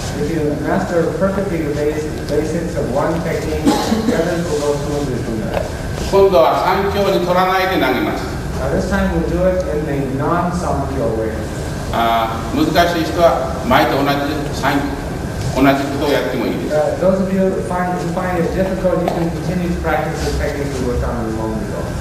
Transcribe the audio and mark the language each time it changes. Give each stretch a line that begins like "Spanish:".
English: If you master perfectly the basics of one technique, the others will go smoothly from there.
Japanese: 今度は三強に取らないで投げます。
English: Now this time we'll do it in a non-sankyo way.
Japanese: 難しい人は前と同じ三同じことをやってもいいです。
English: Those of you who find it difficult, you can continue to practice the technique we worked on a moment ago.